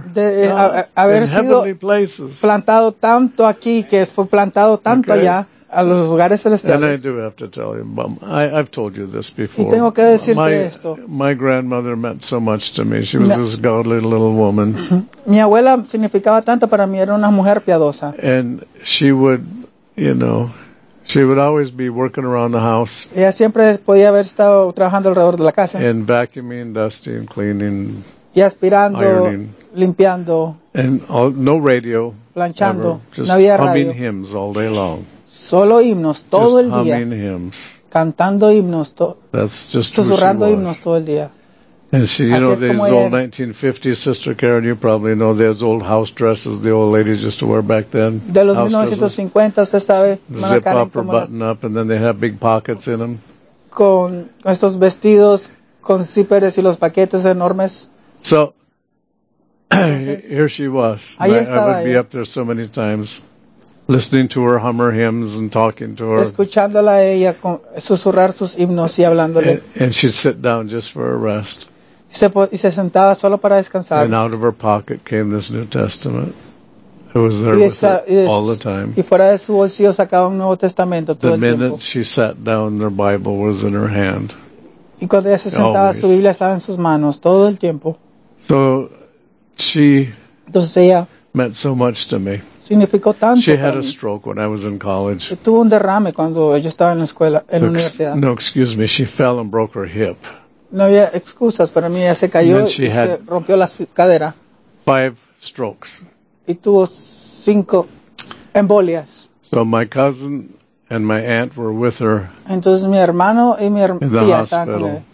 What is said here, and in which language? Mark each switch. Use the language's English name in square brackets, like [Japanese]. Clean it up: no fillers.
[Spanish] De haber sido plantado tanto aquí que fue plantado tanto allá. A los lugares celestiales. [English] And I do have to tell you, Mom, I've told you this before. [Spanish] Y tengo que decirte esto. [English] My grandmother meant so much to me. She was this godly little woman. [Spanish] Mi abuela significaba tanto para mí. Era una mujer piadosa. [English] And she would, you know, she would always be working around the house. [Spanish] Ella siempre podía haber estado trabajando alrededor de la casa. [English] And vacuuming, dusting, cleaning, [Spanish] y aspirando, [English] ironing, [Spanish] limpiando. [English] And all, no radio. [Spanish] Planchando. [English] Ever. Just [Spanish] no había radio. [English] Humming hymns all day long. [Spanish] Solo himnos todo [English] just [Spanish] el día. [English] Hymns. [Spanish] Cantando himnos susurrando himnos todo el día. [English] And so, you know, there's old 1950s, Sister Karen, you probably know, there's old house dresses the old ladies used to wear back then. [Spanish] De los 1950, usted sabe, [English] zip up or button up, and then they have big pockets in them. [Spanish] Con estos vestidos, con zippers y los paquetes enormes. [English] So, here she was. [Spanish] Ahí estaba [English] I would be [Spanish] ella. [English] Up there so many times. Listening to her hummer hymns and talking to her. [Spanish] Escuchándola a ella con, susurrar sus himnos y hablándole. [English] And she'd sit down just for a rest. [Spanish] Y se sentaba solo para descansar. [English] And out of her pocket came this New Testament. It was there with her all the time. [Spanish] Y fuera de su bolsillo sacaba un Nuevo Testamento todo el tiempo. [English] The minute she sat down, her Bible was in her hand. [Spanish] Y cuando ella se sentaba, su Biblia estaba en sus manos todo el tiempo. [English] So she [Spanish] entonces ella [English] meant so much to me. [Spanish] Significó tanto. [English] She had a stroke when I was in college. [Spanish] Tuvo un derrame cuando yo estaba en la escuela, en la universidad. [English] No, excuse me, she fell and broke her hip. [Spanish] No había excusas para mí, ella se cayó y se rompió la cadera. [English] Five strokes. [Spanish] Y tuvo cinco embolias. [English] So my cousin and my aunt were with her. [Spanish] Entonces mi hermano y mi tía estaban con ella.